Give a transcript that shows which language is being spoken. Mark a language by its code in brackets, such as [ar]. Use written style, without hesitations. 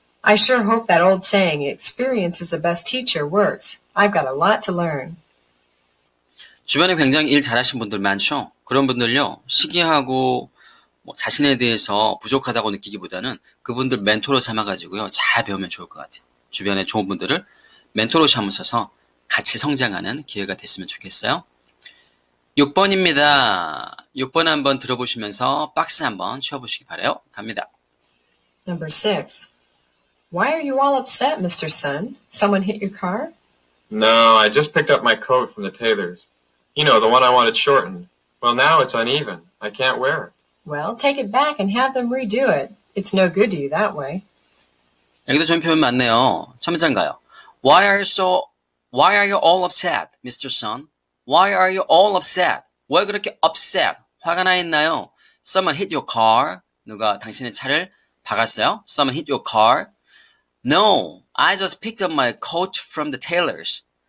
[en] I sure hope that old saying, experience is the best teacher, works. I've got a lot to learn. [ko] 주변에 굉장히 일 잘하신 분들 많죠? 그런 분들요, 시기하고 뭐 자신에 대해서 부족하다고 느끼기보다는 그분들 멘토로 삼아가지고요, 잘 배우면 좋을 것 같아요. 주변에 좋은 분들을 멘토로 삼으셔서 같이 성장하는 기회가 됐으면 좋겠어요. 6번입니다. 6번 한번 들어보시면서 박스 한번 채워보시기 바래요. 갑니다. [en] Number six. Why are you all upset, Mr. Sun? Someone hit your car? No, I just picked up my coat from the tailor's. You know, the one I wanted shortened. Well, now it's uneven. I can't wear it. Well, take it back and have them redo it. It's no good to you that way. [ko] 여기도 좋은 표현 많네요. 참잠가요. [en] Why are you all upset, Mr. Sun? Why are you all upset? [ko] 왜 그렇게 upset? 화가 나 있나요? [en] Someone hit your car. [ko] 누가 당신의 차를 박았어요? [en] Someone hit your car. No, I just picked up my coat from the tailors.